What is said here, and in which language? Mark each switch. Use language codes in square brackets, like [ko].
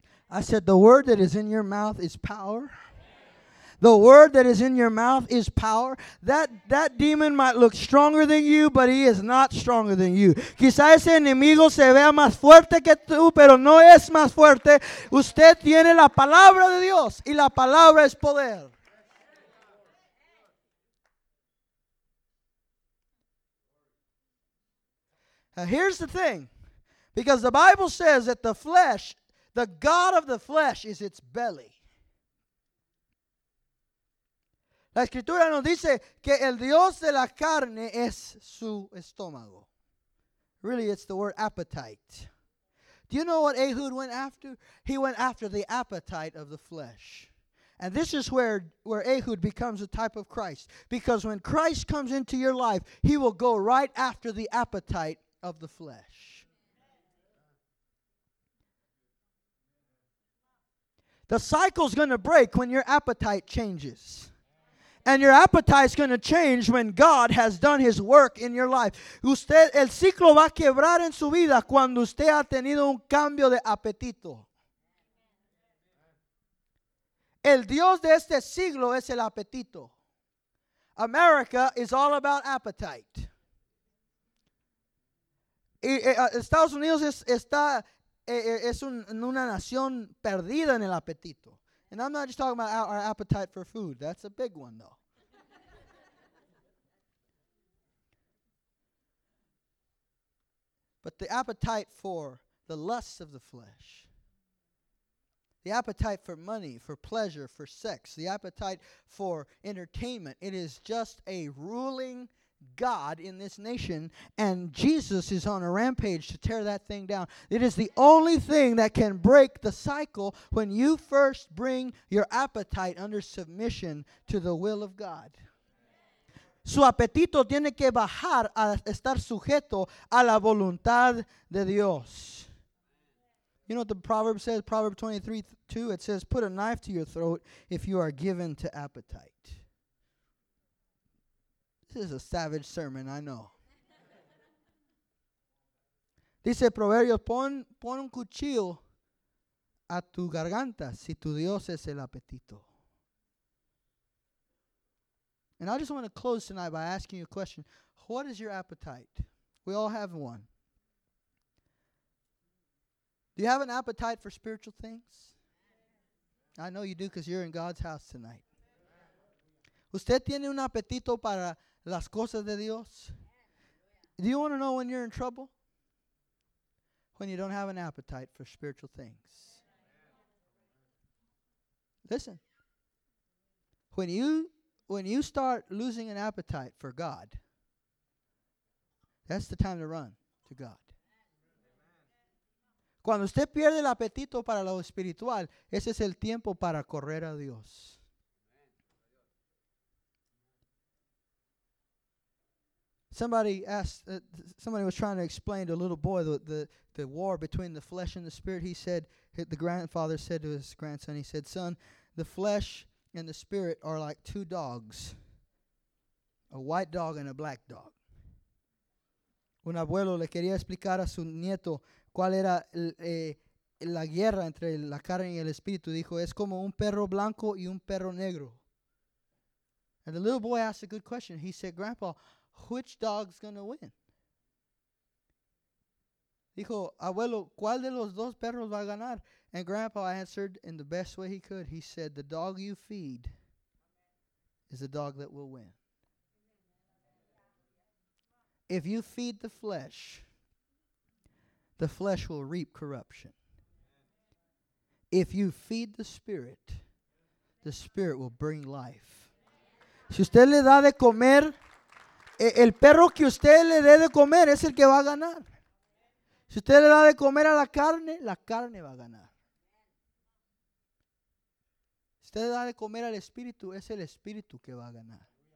[en] I said, the word that is in your mouth is power. The word that is in your mouth is power. That demon might look stronger than you, but he is not stronger than you. [es] Quizá ese enemigo se vea más fuerte que tú, pero no es más fuerte. Usted tiene la palabra de Dios, y la palabra es poder. [en] Now here's the thing. Because the Bible says that the flesh, the god of the flesh is its belly. La Escritura nos dice que el Dios de la carne es su estómago. Really, it's the word appetite. Do you know what Ehud went after? He went after the appetite of the flesh. And this is where Ehud becomes a type of Christ. Because when Christ comes into your life, he will go right after the appetite of the flesh. The cycle's going to break when your appetite changes. And your appetite's going to change when God has done his work in your life. [es] Usted, el ciclo va a quebrar en su vida cuando usted ha tenido un cambio de apetito. El Dios de este siglo es el apetito. [en] America is all about appetite. [es] Estados Unidos es una nación perdida en el apetito. [en] And I'm not just talking about our appetite for food. That's a big one, though. But the appetite for the lusts of the flesh, the appetite for money, for pleasure, for sex, the appetite for entertainment, it is just a ruling God in this nation, and Jesus is on a rampage to tear that thing down. It is the only thing that can break the cycle when you first bring your appetite under submission to the will of God. [es] Su apetito tiene que bajar a estar sujeto a la voluntad de Dios. [en] You know what the proverb says? Proverb 23:2, it says, put a knife to your throat if you are given to appetite. This is a savage sermon, I know. [es] Dice Proverbios, pon un cuchillo a tu garganta si tu Dios es el apetito. [en] And I just want to close tonight by asking you a question. What is your appetite? We all have one. Do you have an appetite for spiritual things? I know you do because you're in God's house tonight. [es] ¿Usted tiene un apetito para las cosas de Dios? [en] Do you want to know when you're in trouble? When you don't have an appetite for spiritual things. Listen. When you start losing an appetite for God, that's the time to run to God. [es] Cuando usted pierde el apetito para lo espiritual, ese es el tiempo para correr a Dios. [en] Somebody was trying to explain to a little boy the war between the flesh and the spirit. He said, the grandfather said to his grandson, he said, son, the flesh and the spirit are like two dogs, a white dog and a black dog. [es] Un abuelo le quería explicar a su nieto cuál era la guerra entre la carne y el espíritu. Dijo, es como un perro blanco y un perro negro. [en] And the little boy asked a good question. He said, Grandpa, which dog's going to win? [es] Dijo, abuelo, ¿cuál de los dos perros va a ganar? [en] And Grandpa answered in the best way he could. He said, the dog you feed is the dog that will win. If you feed the flesh will reap corruption. If you feed the spirit will bring life. [es] Si usted le da de comer, el perro que usted le dé de comer es el que va a ganar. Si usted le da de comer a la carne va a ganar. Si usted le da de comer al espíritu, es el espíritu que va a ganar.